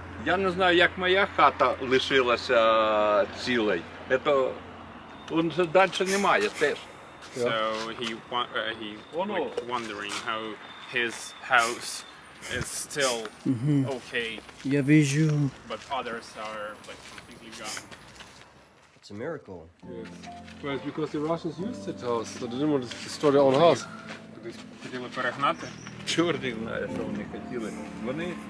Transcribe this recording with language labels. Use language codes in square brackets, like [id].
[uk] Я не знаю, як моя хата лишилася цілей. Це... Він же далі немає теж. [en] Yeah. So wondering how his house is still okay. [ru] Я вижу. [en] But others are like completely gone. It's a miracle. Yes. Well, it's because the Russians used that house, so they didn't want to destroy their own house. [uk] Хотіли перегнати? Чорт знає, що вони хотіли. Вони